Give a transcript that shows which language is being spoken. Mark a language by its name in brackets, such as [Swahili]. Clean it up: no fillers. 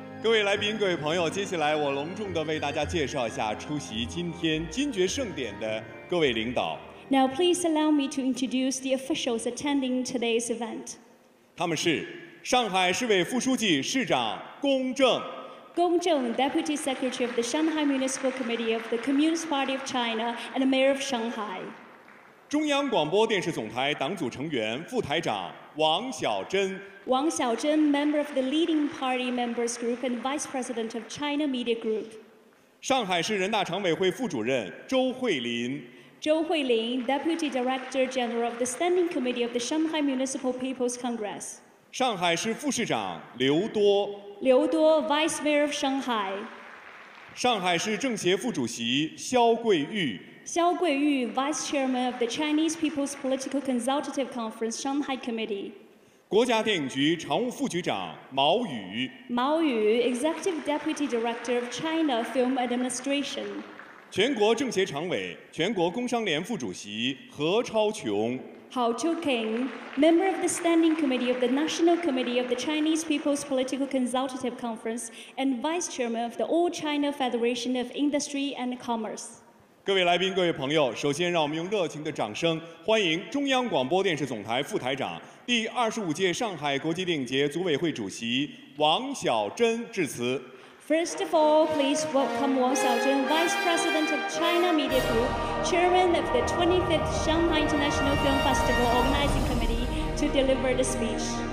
[Chinese] 各位来宾，各位朋友，接下来我隆重地为大家介绍一下出席今天金爵盛典的各位领导。 [English] Now please allow me to introduce the officials attending today's event. [Chinese] 他们是上海市委副书记、市长龚正。 [English] 龚正 Deputy Secretary of the Shanghai Municipal Committee of the Communist Party of China and Mayor of Shanghai. [Chinese] 中央广播电视总台党组成员、副台长王小珍。 [English] 王小珍 Member of the Leading Party Members Group and Vice President of China Media Group. [Chinese] 上海市人大常委会副主任周慧琳。 [English] 周慧琳 Deputy Director General of the Standing Committee of the Shanghai Municipal People's Congress. [Chinese] 上海市副市长刘多。 [English] 刘多 Vice Mayor of Shanghai. [Chinese] 上海市政协副主席肖桂玉。 [English] 肖桂玉 Vice Chairman of the Chinese People's Political Consultative Conference Shanghai Committee. [Chinese] 国家电影局常务副局长毛宇。 [English] 毛宇 Executive Deputy Director of China Film Administration. [Chinese] 全国政协常委、全国工商联副主席何超琼。 [English] Hao Chuking, Member of the Standing Committee of the National Committee of the Chinese People's Political Consultative Conference and Vice Chairman of the All China Federation of Industry and Commerce. [Chinese] 各位来宾、各位朋友，首先让我们用热情的掌声欢迎中央广播电视总台副台长、第25届上海国际电影节组委会主席王小珍致辞。 [English] First of all, please welcome Wang Xiaojun, Vice President of China Media Group, Chairman of the 25th Shanghai International Film Festival Organizing Committee, to deliver the speech.